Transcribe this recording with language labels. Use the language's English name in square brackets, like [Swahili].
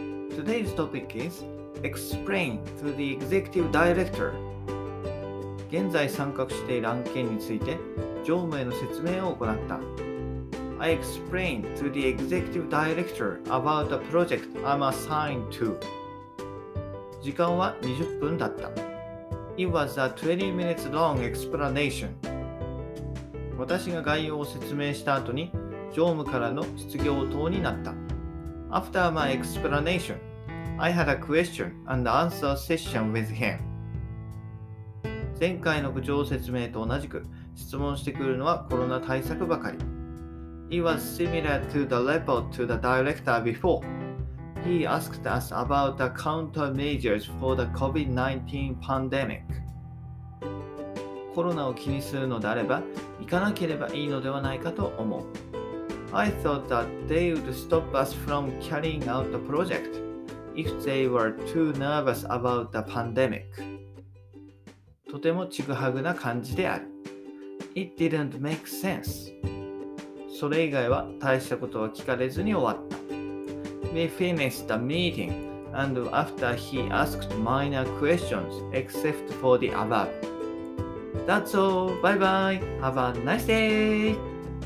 [English] Today's topic is Explain to the Executive Director. [Japanese] 現在参画している案件について常務への説明を行った。 [English] I explained to the executive director about the project I'm assigned to. [Japanese] 時間は20分だった。 [English] It was a 20 minutes long explanation. [Japanese] 私が概要を説明した後に常務からの質疑応答になった。 [English] After my explanation, I had a question and answer session with him. [Japanese] 前回の部長説明と同じく質問してくるのはコロナ対策ばかり。 [English] It was similar to the report to the director before. He asked us about the countermeasures for the COVID-19 pandemic. [Japanese] コロナを気にするのであれば、行かなければいいのではないかと思う。 [English] I thought that they would stop us from carrying out the project if they were too nervous about the pandemic. [Japanese] とてもちぐはぐな感じである。 [English] It didn't make sense. [Japanese] それ以外は大したことは聞かれずに終わった。 [English] We finished the meeting, and after he asked minor questions, except for the above. That's all. Bye bye. Have a nice day.